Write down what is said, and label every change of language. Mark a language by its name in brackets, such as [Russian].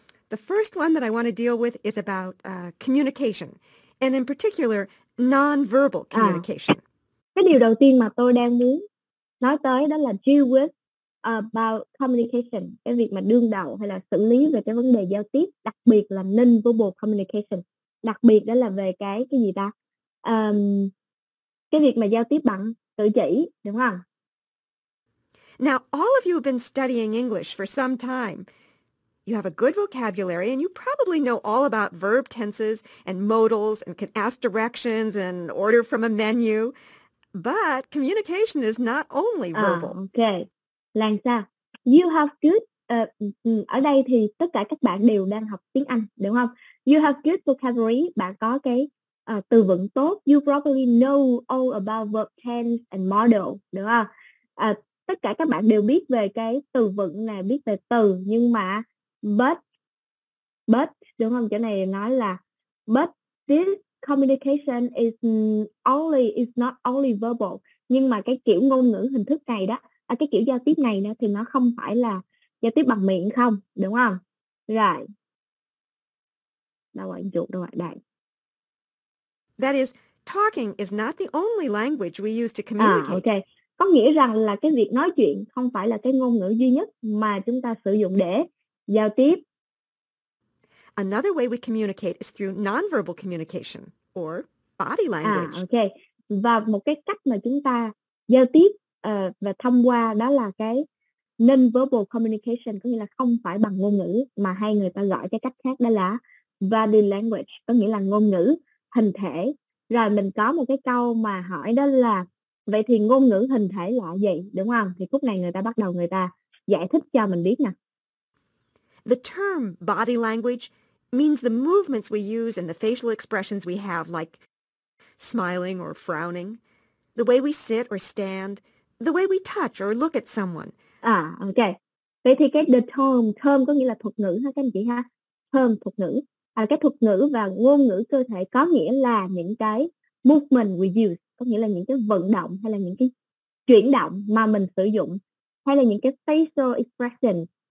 [English] The first one that I want to deal with is about communication, and in particular, non-verbal communication. [Vietnamese] À, cái điều đầu tiên mà tôi đang muốn nói tới đó là [English] deal with about communication, [Vietnamese] cái việc mà đương đầu hay là xử lý về cái vấn đề giao tiếp, đặc biệt là [English] non-verbal communication, [Vietnamese] đặc biệt đó là về cái gì ta, cái việc mà giao tiếp bằng cử chỉ, đúng không? [English] Now, all of you have been studying English for some time. You have a good vocabulary and you probably know all about verb tenses and modals and can ask directions and order from a menu. But communication is not only verbal. [Vietnamese] Okay. Làm sao? [English] You have good, [Vietnamese] ở đây thì tất cả các bạn đều đang học tiếng Anh, đúng không? [English] You have good vocabulary, [Vietnamese] bạn có cái từ vựng tốt. [English] You probably know all about verb tense and modal, [Vietnamese] đúng không? Tất cả các bạn đều biết về cái từ vựng này, biết về từ, nhưng mà but, đúng không? Chỗ này nói là [English] but this communication is not only verbal, [Vietnamese] nhưng mà cái kiểu ngôn ngữ hình thức này đó, à, cái kiểu giao tiếp này nữa thì nó không phải là giao tiếp bằng miệng không, đúng không? Rồi. Đâu ạ, chuột đâu ạ, đây. [English] That is, talking is not the only language we use to communicate. À, okay. [Vietnamese] Có nghĩa rằng là cái việc nói chuyện không phải là cái ngôn ngữ duy nhất mà chúng ta sử dụng để giao tiếp. [English] Another way we communicate is through nonverbal communication or body language. À, okay. [Vietnamese] Và một cái cách mà chúng ta giao tiếp và thông qua đó là cái nonverbal communication, có nghĩa là không phải bằng ngôn ngữ, mà hay người ta gọi cái cách khác đó là body language, có nghĩa là ngôn ngữ hình thể. Rồi mình có một cái câu mà hỏi đó là vậy thì ngôn ngữ hình thể là gì, đúng không? Thì khúc này người ta bắt đầu người ta giải thích cho mình biết nè. [English] The term body language means the movements we use and the facial expressions we have, like smiling or frowning, the way we sit or stand, the way we touch or look at someone. À, ok. [Vietnamese] Vậy thì cái the term có nghĩa là thuật ngữ ha các anh chị ha. Term, thuật ngữ. À, cái thuật ngữ và ngôn ngữ cơ thể có nghĩa là những cái [English] movement we use, [Vietnamese] có nghĩa là những cái vận động hay là những cái chuyển động mà mình sử dụng, hay là những cái facial expressions.